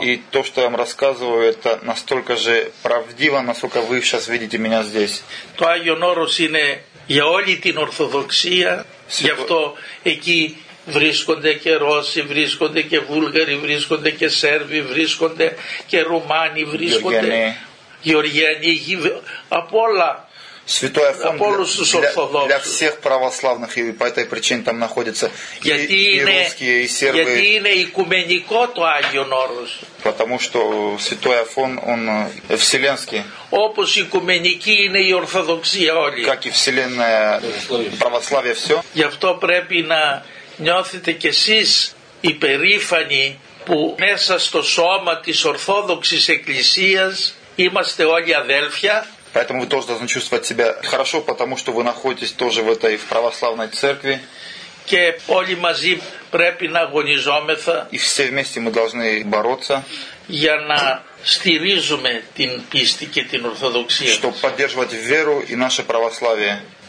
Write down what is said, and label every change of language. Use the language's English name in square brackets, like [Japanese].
[Russian] И то, что я вам рассказываю, это настолько же правдиво, насколько вы сейчас видите меня здесь. [Greek] Το Άγιον Όρος είναι για όλη την Ορθοδοξία, γι' αυτό εκεί βρίσκονται και Ρώσοι, βρίσκονται και Βούλγαροι, βρίσκονται και Σέρβοι, βρίσκονται και Ρουμάνοι, βρίσκονται Γεωργιανοί, από όλα. [Russian] Святой Афон для всех православных, и по этой причине там находятся и русские, и сербы. [Greek] Γιατί είναι οικουμενικό το Άγιον Όρος. [Russian] Потому что Святой Афон, он вселенский. [Greek] Όπως οικουμενική είναι η Ορθοδοξία όλη. [Russian] Как и вселенная православие все. [Greek] Γι' αυτό πρέπει να νιώθετε κι εσείς υπερήφανοι που μέσα στο σώμα της Ορθόδοξης Εκκλησίας είμαστε όλοι αδέλφια. [Russian] Поэтому вы тоже должны чувствовать себя хорошо, потому что вы находитесь тоже в этой в православной церкви. [Greek] Και όλοι μαζί πρέπει να αγωνιζόμεθα. [Russian] И все вместе мы должны бороться. [Greek] Για να στηρίζουμε την πίστη και την ορθοδοξία. [Russian] Чтобы поддерживать веру и наше православие.